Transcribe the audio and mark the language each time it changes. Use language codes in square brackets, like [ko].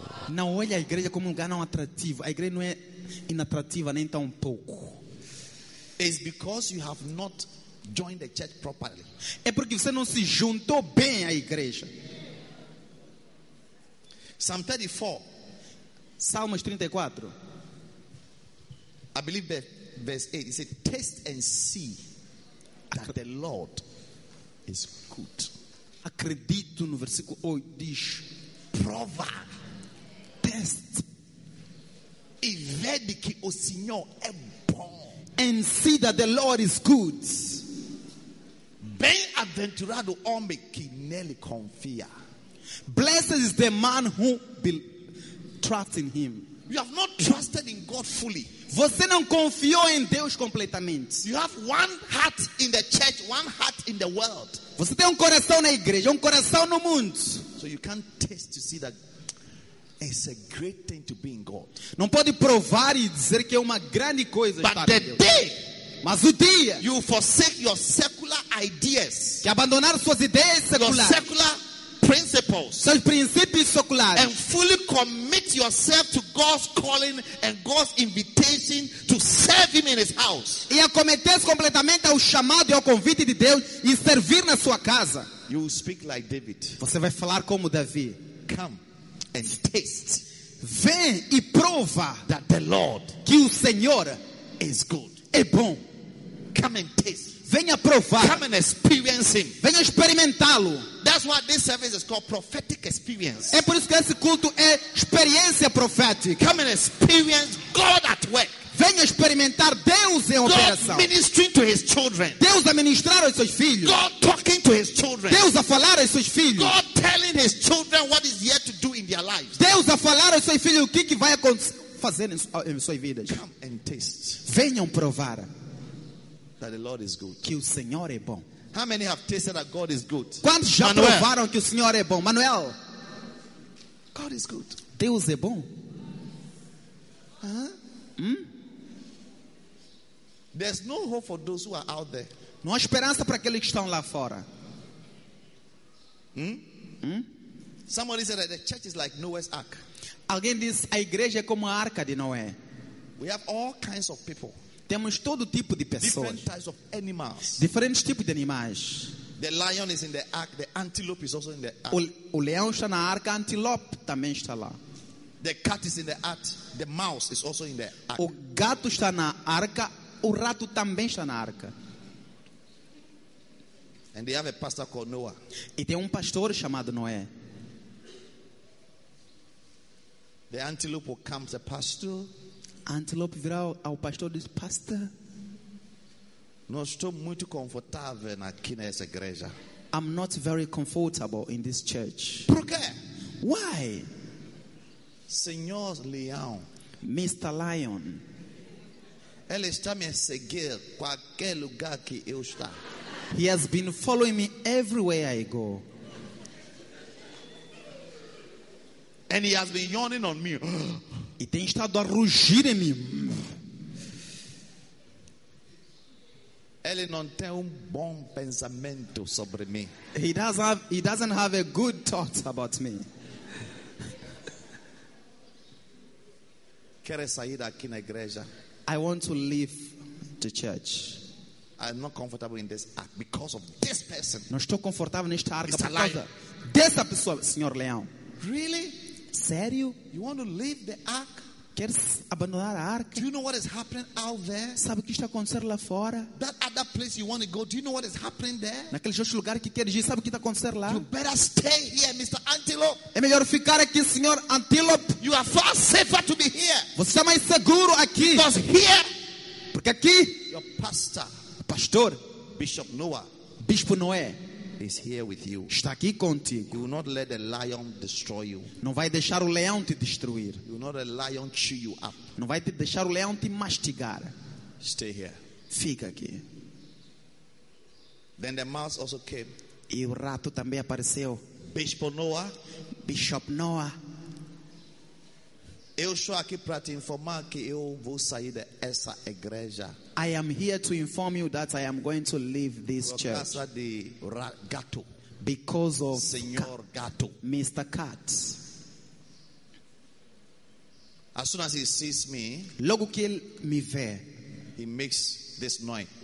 [pt] Não olhe a igreja como um lugar não atrativo. A igreja não é inatrativa nem tão pouco. [en] It's because you have not joined the church properly. [pt] É porque você não se juntou bem à igreja. [en] Psalm 34. [pt] Salmos 34. [en] I believe verse 8. It says, "Taste and see that the Lord is good." [pt] Acredito no versículo 8, diz: prova, teste e vede que o Senhor é bom. [en] And see that the Lord is good. [pt] Bem-aventurado o homem que nele confia. [en] Blessed is the man who trusts in him. You have not trusted in God fully. [pt] Você não confiou em Deus completamente. [en] You have one heart in the church, one heart in the world. [pt] Você tem coração na igreja, coração no mundo. [en] So you can't test to see that it's a great thing to be in God. [pt] Não pode provar e dizer que é uma grande coisa [en] but [pt] estar [en] the [pt] em Deus. [en] Day, [pt] mas o dia, [en] you forsake your secular ideas, [pt] que abandonar suas ideias seculares, [en] your secular principles. [pt] Seus princípios seculares. [en] And fully commit yourself to God's calling and God's invitation to serve Him in His house. [pt] E acometer-se completamente ao chamado e ao convite de Deus e servir na sua casa. [en] You will speak like David. [pt] Você vai falar como Davi. [en] Come and taste. [pt] Vem e prova [en] that the Lord [pt] que o Senhor [en] is good. [pt] É bom. [en] Come and taste. [pt] Venha provar. [en] Come and experience Him. [pt] Venha experimentá-lo. [en] That's why this service is called prophetic experience. [pt] É por isso que esse culto é experiência profética. [en] Come and experience God at work. [pt] Venha experimentar Deus em [en] God [pt] operação. [en] Ministering to His children. [pt] Deus a ministrar aos seus filhos. [en] God talking to His children. [pt] Deus a falar aos seus filhos. [en] God telling His children what is yet to do in their lives. [pt] Deus a falar aos seus filhos o que vai fazer em suas vidas. [en] Come and taste. [pt] Venham provar [en] that the Lord is good. [pt] Que o Senhor é bom. [en] How many have tasted that God is good? [pt] Quantos já Manuel. Provaram que o Senhor é bom? Manuel. [en] God is good. [pt] Deus é bom. [en] There's no hope for those who are out there. [pt] Não há esperança para aqueles que estão lá fora. [en] Somebody said that the church is like Noah's ark. [pt] Alguém disse a igreja é como a arca de Noé. [en] We have all kinds of people. [pt] Temos todo tipo de pessoas. [en] Different types of animals. [pt] Diferentes tipos de animais. [en] The lion is in the ark. The antelope is also in the ark. [pt] O leão está na arca. A antelope também está lá. [en] The cat is in the ark. The mouse is also in the ark. [pt] O gato está na arca. O rato também está na arca. [en] And they have a pastor called Noah. [pt] E tem pastor chamado Noé. [en] The antelope will come to the pastor. [pt] A antelope virá ao pastor e diz, pastor, não estou muito confortável aqui nessa igreja. [en] I'm not very comfortable in this church. [pt] Por quê? [en] Why? [pt] Senhor Leão. [en] Mr. Lion. [pt] Ele está me seguindo qualquer lugar que eu estou. [en] He has been following me everywhere I go. And he has been yawning on me. [pt] E tem estado a rugir em mim. Ele não tem bom pensamento sobre mim. [en] He doesn't have a good thought about me. [pt] Quero sair daqui na igreja. [en] I want to leave the church. I'm not comfortable in this act because of this person. [pt] Não estou confortável nesta arca por causa dessa pessoa, Senhor Leão. [en] Really? [pt] Sério? [en] You want to leave the ark? [pt] Queres abandonar a arca? [en] Do you know what is happening out there? [pt] Sabe o que está acontecendo lá fora? [en] That other place you want to go, do you know what is happening there? [pt] Naquele outro lugar que queres ir, sabe o que está acontecendo lá? [en] You better stay here, Mr. Antelope. [pt] É melhor ficar aqui, Senhor Antelope. [en] You are far safer to be here. [pt] Você é mais seguro aqui. [en] Because here, [pt] porque aqui, [en] your pastor, [pt] pastor, [en] Bishop Noah, [pt] Bispo Noé. [en] Is here with you. [pt] Está aqui contigo. [en] You will not let the lion destroy you. [pt] Não vai deixar o leão te destruir. [en] You will not let the lion chew you up. [pt] Não vai te deixar o leão te mastigar. [en] Stay here. [pt] Fica aqui. [en] Then the mouse also came. [pt] E o rato também apareceu. [en] Bishop Noah. Bishop Noah. [pt] Eu estou aqui para te informar que eu vou sair dessa igreja. [en] I am here to inform you that I am going to leave this church. [pt] Por causa de gato. [en] Because of [pt] Senhor Gato. [en] Mr. Cat. As soon as he sees me, [pt] logo que ele me vê, [en] he makes this noise.